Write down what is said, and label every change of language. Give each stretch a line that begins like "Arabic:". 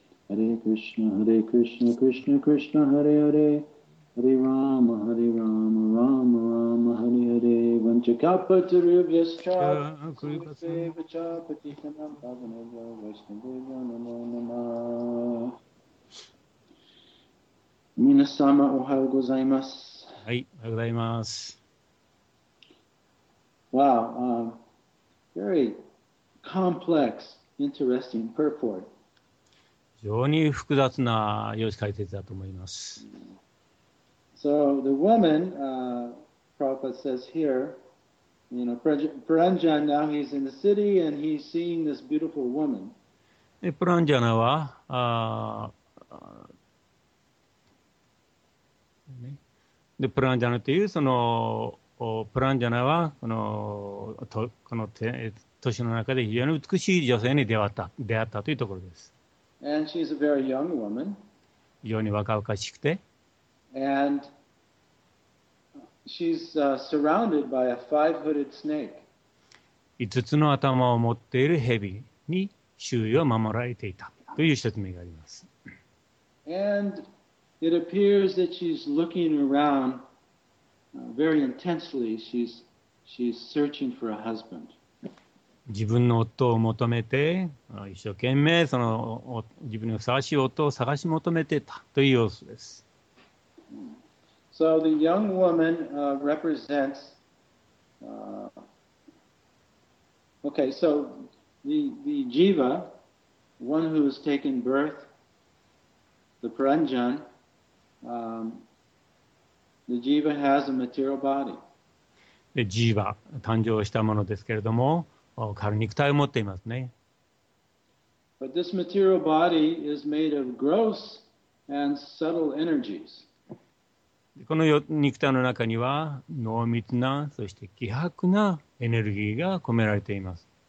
Sanskrit: Hare Krishna Hare Krishna Krishna Krishna Hare Hare Hare Rama Hare Rama Rama Rama Hare Hare Vanchakapatarubhyascha Sukhasevacha Patitanam Bhavanevya Vaishnadeva Namo Namah
Japanese: Minasama Ohayou Gozaimasu. Hai, Ohayou Gozaimasu.
English: Wow, very complex, interesting purport.
Japanese: 非常に複雑な用紙解説だと思います。
English: So the woman, Prabhupada says here, you know, Paranjana, now he's in the city and he's seeing this beautiful woman.
Japanese: Paranjana は、で、Paranjana というそのプランジャナはこの都市の中で非常に美しい女性に出会ったというところです。
English: And she's a very young woman.
Japanese: 非常に若々しくて。
English: And she's surrounded by a five-hooded snake.
Japanese: 5つの頭を持っている蛇に周囲を守られていたという説明があります。
English: And it appears that she's looking around. Very intensely, she's searching for a husband.
Japanese: 自分の夫を求めて一生懸命その自分のふさわしい夫を探し求めてたという様子です。
English: So the young woman represents. Okay, so the jiva, one who has taken birth, the Paranjan. The jiva has a material body.
Japanese: で、ジーバ、誕生したものですけれども、軽肉体を持っていますね。
English: But this material body is made of gross and subtle energies.
Japanese: この肉体の中には、濃密な、そして希薄なエネルギーが込められています。